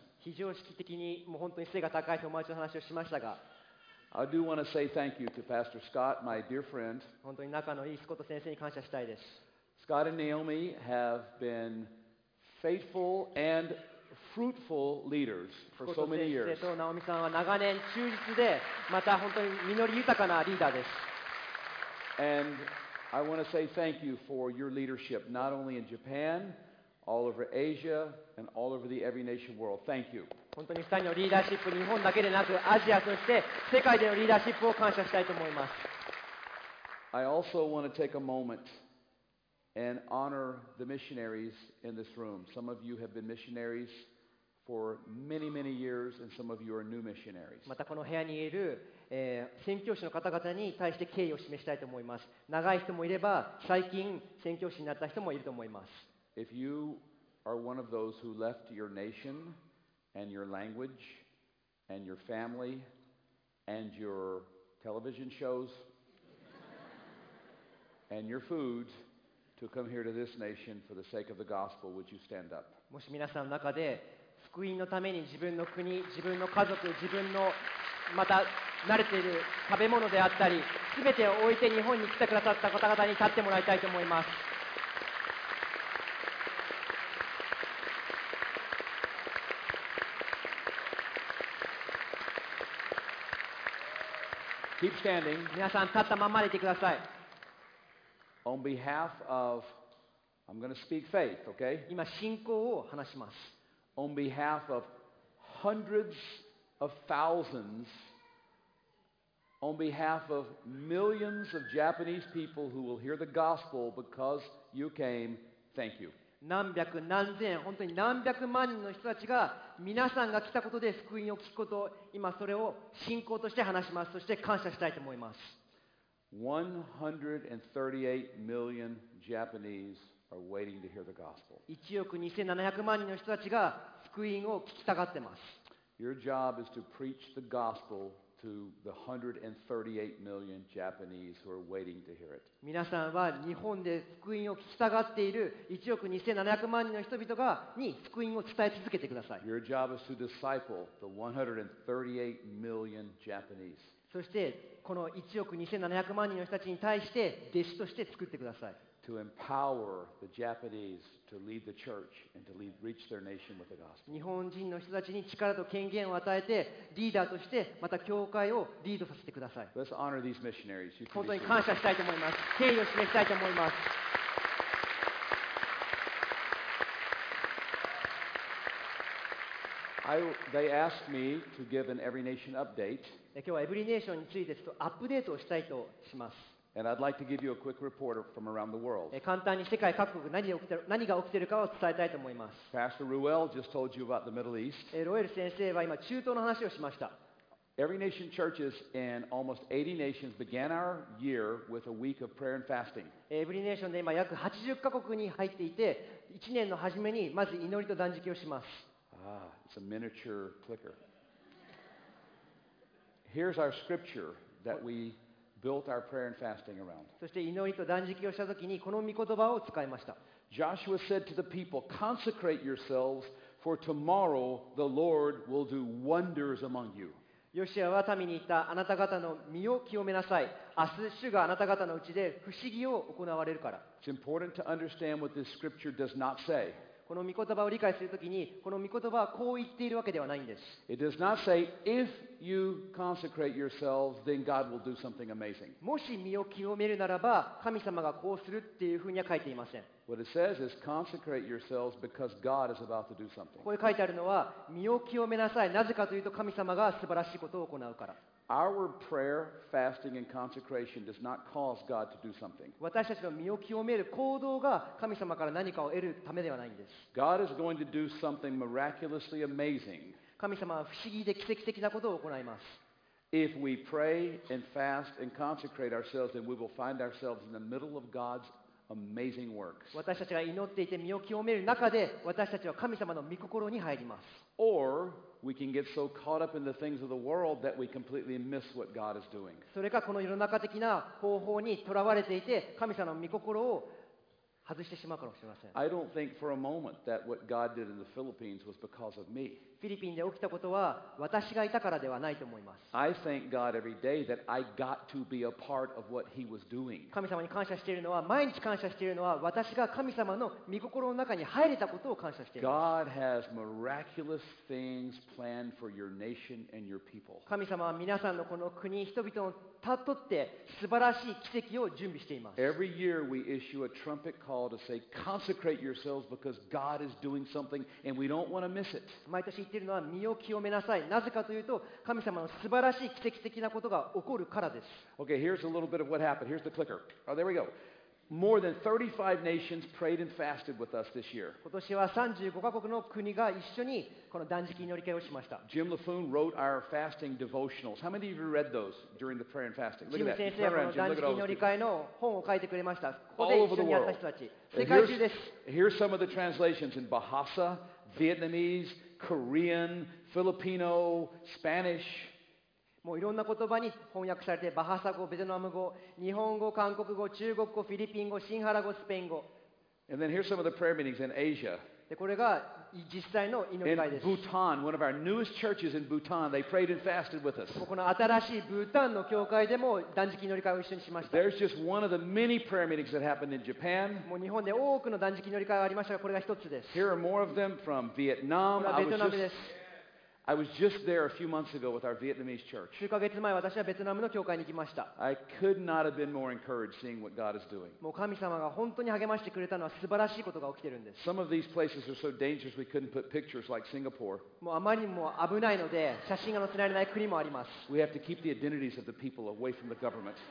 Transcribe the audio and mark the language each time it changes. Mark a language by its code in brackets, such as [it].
[ja] 非常識的にもう本当に背が高い友達の話をしましたが、 [en] I do want to say thank you to Pastor Scott, my dear friend. [ja] 本当に仲のいいスコット先生に感謝したいです。 [en] Scott and Naomi have been faithful and fruitful leaders for so many years. [ja] スコット先生とナオミさんは長年忠実で、また本当に実り豊かなリーダーです。 [en] And I want to say thank you for your leadership, not only in Japan, all over Asia, and all over the every nation world. Thank you. [ja] 本当に二人のリーダーシップ、日本だけでなくアジア、そして世界でのリーダーシップを感謝したいと思います。 [en] I also want to take a moment and honor the missionaries in this room. Some of you have been missionaries for many, many years, and some of you are new missionaries. [ja] またこの部屋にいる宣教師の方々に対して敬意を示したいと思います。長い人もいれば、最近宣教師になった人もいると思います。 [en] If you are one of those who left your nation and your language and your family and your television shows and your food to come here to this nation for the sake of the gospel, would you stand up? [ja] もし皆さんの中で福音のために自分の国、自分の家族、自分のまた慣れている食べ物であったり、すべてを置いて日本に来てくださった方々に立ってもらいたいと思います。 [en] Keep standing. [ja] 皆さん立ったままでいてください。 [en] On behalf of, I'm going to speak faith, okay? [ja] 今信仰を話します。 [en] On behalf of hundreds of thousands. On behalf of millions of Japanese people who will hear the gospel because you came, thank you. [ja] 何百何千、本当に何百万人の人たちが、皆さんが来たことで福音を聞くこと、今それを信仰として話します。そして感謝したいと思います。 [en] 138 million Japanese are waiting to hear the gospel. [ja] 1億2700万人の人たちが福音を聞きたがってます。 [en] Your job is to preach the gospel. To the 138 million Japanese who are waiting to hear it. [ja] 皆さんは日本で福音を聞きたがっている1億2700万人の人々がに福音を伝え続けてください。 [en] Your job is to disciple the 138 million Japanese. [ja] そしてこの1億2700万人の人たちに対して弟子として作ってください。 [en] To empower the Japanese to lead the church and to lead, reach their nation with the gospel. [ja] 日本人の人たちに力と権限を与えて、リーダーとしてまた教会をリードさせてください。 [en] Let's honor these missionaries. [ja] 本当に感謝したいと思います。敬意を示したいと思います。 [en] They asked me to give an Every Nation update. [ja] 今日はエブリネーションについてちょっとアップデートをしたいとします。 [en] And I'd like to give you a quick report from around the world. [ja] 簡単に世界各国何が起きているかを伝えたいと思います。 [en] Pastor Ruel just told you about the Middle East. [ja] ロエル先生は今中東の話をしました。 [en] Every Nation churches in almost 80 nations began our year with a week of prayer and fasting. [ja] Every Nation で今約80カ国に入っていて、1年の初めにまず祈りと断食をします。 [en] It's a miniature clicker. Here's our scripture that we built our prayer and fasting around. [ja] そして祈りと断食をしたときにこの御言葉を使いました。 [en] Joshua said to the people, "Consecrate yourselves, for tomorrow the Lord will do wonders among you." [ja] ヨシアは民に言った、あなた方の身を清めなさい、明日主があなた方のうちで不思議を行われるから。 [en] It's important to understand what this scripture does not say. [ja] この御言葉を理解するときに、この御言葉はこう言っているわけではないんです。 [en] It does not say, if you consecrate yourselves, then God will do something amazing. [ja] もし身を清めるならば、神様がこうするっていうふうには書いていません。 [en] What it says is consecrate yourselves because God is about to do something. [ja] ここに書いてあるのは、身を清めなさい。なぜかというと、神様が素晴らしいことを行うから。 [en] Our prayer, fasting, and consecration does not cause God to do something. [ja] 私たちの身を清める行動が神様から何かを得るためではないんです。 [en] God is going to do something miraculously amazing. [ja] 神様は不思議で奇跡的なことを行います。 [en] If we pray and fast and consecrate ourselves, then we will find ourselves in the middle of God's Amazing works. [ja] 私たちが祈っていて身を清める中で、私たちは神様の御心に入ります。 [en] Or we can get so caught up in the things of the world that we completely miss what God is doing. [ja] それかこの世の中的な方法にとらわれていて、神様の御心を外してしまうかもしれません。 [en] I don't think for a moment that what God did in the Philippines was because of me. [ja] フィリピンで起きたことは私がいたからではないと思います。 [en] I thank God every day that I got to be a part of what He was doing. [ja] 神様に感謝しているのは、毎日感謝しているのは、私が神様の御心の中に入れたことを感謝しています。 [en] God has miraculous things planned for your nation and your people. [ja] 神様は皆さんのこの国、人々のたとって素晴らしい奇跡を準備しています。 [en] Every year we issue a trumpet call to say, consecrate yourselves because God is doing something and we don't want to miss it. [ja] 毎年言っているのは、身を清めなさい。なぜかというと、神様の素晴らしい奇跡的なことが起こるからです。 [en] Okay, here's a little bit of what happened. Here's the clicker. Oh, there we go. More than 35 nations prayed and fasted with us this year. [ja] 今年は35カ国の国が一緒にこの断食祈り会をしました。 [en] Jim LaFoon wrote our fasting devotionals. How many of you read those during the prayer and fasting? Look at that. [ja] Jim 先生はこの断食祈り会の本を書いてくれました。 [en] All over the world. [ja] 世界中です。 [en] Here's some of the translations in Bahasa, Vietnamese,Korean, Filipino, Spanish. [ja] もういろんな言葉に翻訳されて、バハサ語、ベトナム語、日本語、韓国語、中国語、フィリピン語、シンハラ語、スペイン語。 [en] And then here's some of the prayer meetings in Asia. [ja] でこれが実際の祈り会です。 [en] In Bhutan, one of our newest churches in Bhutan, they prayed and fasted with us. [ja] この新しいブータンの教会でも断食祈り会を一緒にしました。 [en] There's just one of the many prayer meetings that happened in Japan. [ja] もう日本で多くの断食祈り会がありましたが、これが一つです。 [en] Here are more of them from Vietnam. [ja] これはベトナムです。 [en] I was just there a few months ago with our Vietnamese church. [ja] 数ヶ月前、私はベトナムの教会に行きました。 [en] I could not have been more encouraged seeing what God is doing. [ja] もう神様が本当に励ましてくれたのは素晴らしいことが起きているんです。 [en] Some of these places are so dangerous we couldn't put pictures like Singapore. [ja] もうあまりにも危ないので、写真が載せられない国もあります。 [en] We have to keep the identities of the people away from the government.